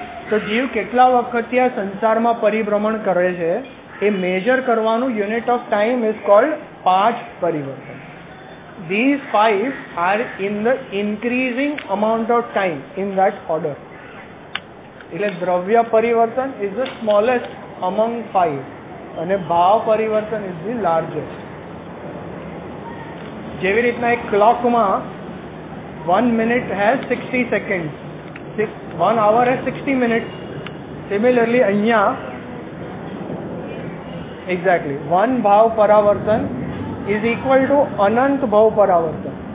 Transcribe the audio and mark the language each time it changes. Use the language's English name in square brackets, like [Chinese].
[Gujarati] તો જીવ કેટલા વખતથી આ સંસારમાં પરિભ્રમણ કરે છે એ મેજર કરવાનું [English] unit of time is called [Gujarati] પાંચ પરિવર્તન. [English] These five are in the increasing amount of time in that order. [Gujarati] એટલે દ્રવ્ય પરિવર્તન [English] is the smallest among five [Gujarati] અને ભાવ પરિવર્તન [English] is the largest. [Gujarati] જેવી રીતના એક ક્લોકમાં [English] 1 minute has 60 seconds, 1 hour has 60 minutes, similarly [Gujarati] અહીંયા [English] exactly 1 ભાવ પરાવર્તન is equal to [Gujarati] અનંત ભાવ પરાવર્તન.